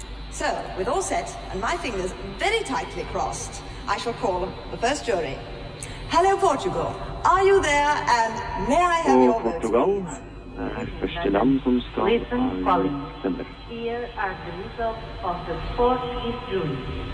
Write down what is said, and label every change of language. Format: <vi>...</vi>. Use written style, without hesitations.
<en>So, with all set, and my fingers very tightly crossed, I shall call the first jury. Hello, Portugal. Are you there, and may I have your vote, please?</en> <no>Det første land som skal avgjøre stemmer.</no> <en>Here are the results of the 40th jury.</en>